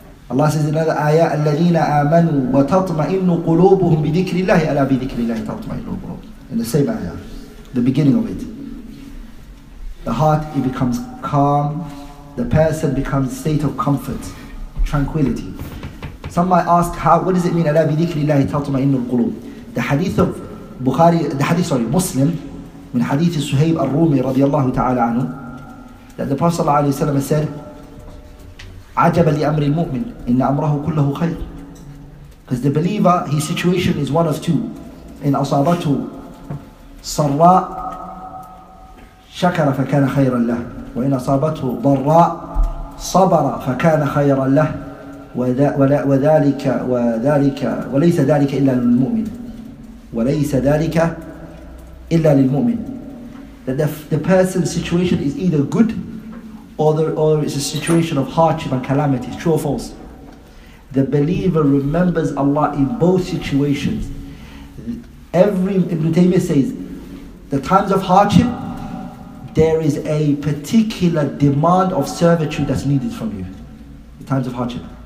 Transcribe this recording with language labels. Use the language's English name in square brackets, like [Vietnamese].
[English] Allah says in another ayah, [Arabic] الَّذِينَ آمَنُوا وَتَطْمَئِنُّ قُلُوبُهُمْ بِذِكْرِ اللَّهِ أَلَا بِذِكْرِ اللَّهِ تَطْمَئِنُّ الْقُلُوبُ. [English] In the same ayah, the beginning of it. The heart, it becomes calm. The person becomes a state of comfort, tranquility. Some might ask, what does it mean, [Arabic] أَلَا بِذِكْرِ اللَّهِ تَطْمَئِنُّ الْقُلُوبُ. [English] The hadith of Bukhari, Muslim, [Arabic] من حديث سهيب الرومي رضي الله تعالى عنه, [English] that the Prophet [Arabic] صلى الله عليه وسلم said, عجب لأمر المؤمن إن أمره كله خير. [English] Because the believer, his situation is one of two. [Arabic] إن أصابته صراء شكر فكان خيرا له وإن أصابته ضراء صبر فكان خيرا له وذلك وليس ذلك إلا للمؤمن وليس ذلك إلا للمؤمن. [English] That the person's situation is either good Or it's a situation of hardship and calamity, true or false. The believer remembers Allah in both situations. Ibn Taymiyyah says, the times of hardship, there is a particular demand of servitude that's needed from you. The times of hardship.